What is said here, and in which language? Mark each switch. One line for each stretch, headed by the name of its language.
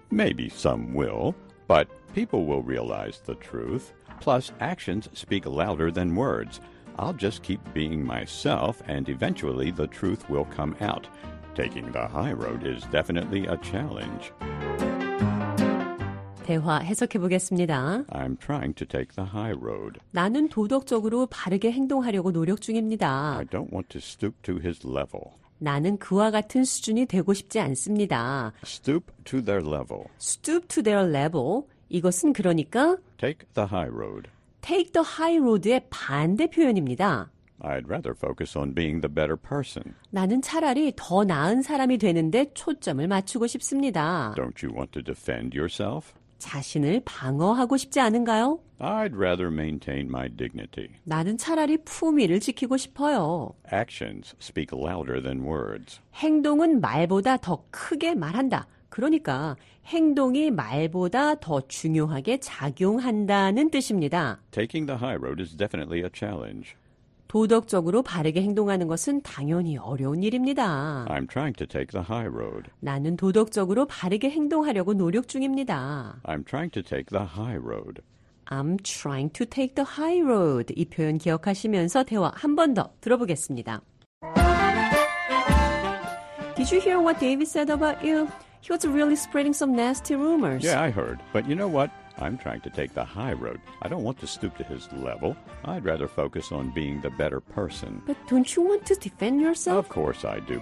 English: Maybe some will, but people will realize the truth. Plus, actions speak louder than words. I'll just keep being myself, and eventually the truth will come out. Taking the high road is definitely a challenge.
Korean: 대화 해석해 보겠습니다.
English: I'm trying to take the high road.
Korean: 나는 도덕적으로 바르게 행동하려고 노력 중입니다.
English: I don't want to stoop to his level.
Korean: 나는 그와 같은 수준이 되고 싶지 않습니다.
English: Stoop to their level. Stoop to their level.
Korean: 이것은 그러니까
English: take the high road. Take the high road
Korean: 의 반대 표현입니다.
English: I'd rather focus on being the better person.
Korean: 나는 차라리 더 나은 사람이 되는데 초점을 맞추고 싶습니다.
English: Don't you want to defend yourself?
Korean: 자신을 방어하고 싶지 않은가요?
English: I'd rather maintain my dignity.
Korean: 나는 차라리 품위를 지키고 싶어요.
English: Actions speak louder than words.
Korean: 행동은 말보다 더 크게 말한다. 그러니까 행동이 말보다 더 중요하게 작용한다는 뜻입니다.
English: Taking the high road is definitely a challenge.
Korean: 도덕적으로 바르게 행동하는 것은 당연히 어려운 일입니다.
English: I'm trying to take the high road.
Korean: 나는 도덕적으로 바르게 행동하려고 노력 중입니다.
English: I'm trying to take the high road. I'm trying to take the high road.
Korean: 이 표현 기억하시면서 대화 한 번 더 들어보겠습니다.
English: Did you hear what David said about you? He was really spreading some nasty rumors. Yeah, I heard. But you know what? I'm trying to take the high road. I don't want to stoop to his level. I'd rather focus on being the better person. But don't you want to defend yourself? Of course I do.